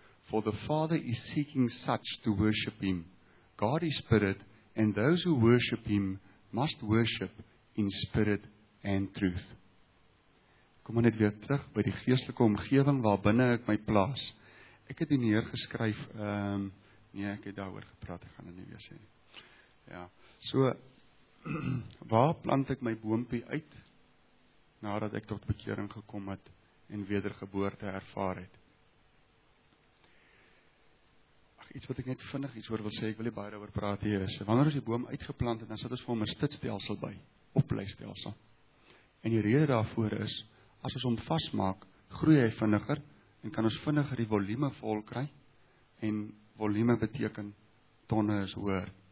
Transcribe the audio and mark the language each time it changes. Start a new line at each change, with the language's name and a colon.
English: For the Father is seeking such to worship Him. God is spirit and those who worship Him must worship in spirit and truth.
Afrikaans: Kom net weer terug by die geestelike omgewing waarbinne ek my plaas. Ek het die neergeskryf, ek het daar oor gepraat, ek gaan dit nie weer sê. Ja, so, waar plant ek my boompie uit nadat ek tot bekering gekom het en wedergeboorte ervaar het? Ach, iets wat ek net vinnig iets oor wil sê, ek wil nie baie daaroor praat hier is, wanneer ons die boom uitgeplant het, dan sit ons vir hom 'n stutstelsel by, opblystelsel. En die rede daarvoor is, as ons hom vasmaak, groei hy vinniger en kan ons vinniger die volume vol kry, en volume beteken tonne is hoër.